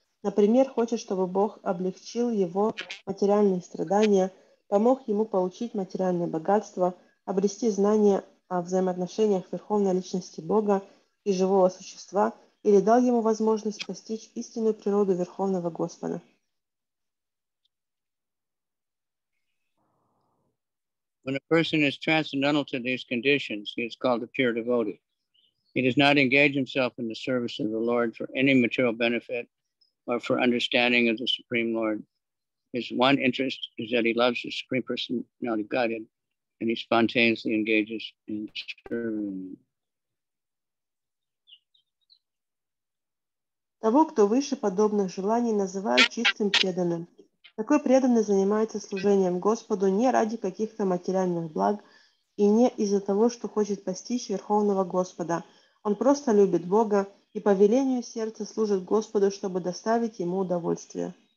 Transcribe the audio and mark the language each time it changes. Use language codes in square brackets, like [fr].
[ru] Например, хочет, чтобы Бог облегчил его материальные страдания, помог ему получить материальное богатство, обрести знания о взаимоотношениях Верховной Личности Бога и живого существа или дал ему возможность постичь истинную природу Верховного Господа. [en] When a person is transcendental to these conditions, he is called a pure devotee. He does not engage himself in the service of the Lord for any material benefit or for understanding of the Supreme Lord. His one interest is that he loves the Supreme Personality of Godhead, and he spontaneously engages in serving. [ru] Того, кто выше подобных желаний, называют чистым преданным. Такой преданный занимается служением Господу не ради каких-то материальных благ и не из-за того, что хочет постичь Верховного Господа. Он просто любит Бога и по велению сердца служит Господу, чтобы доставить ему удовольствие.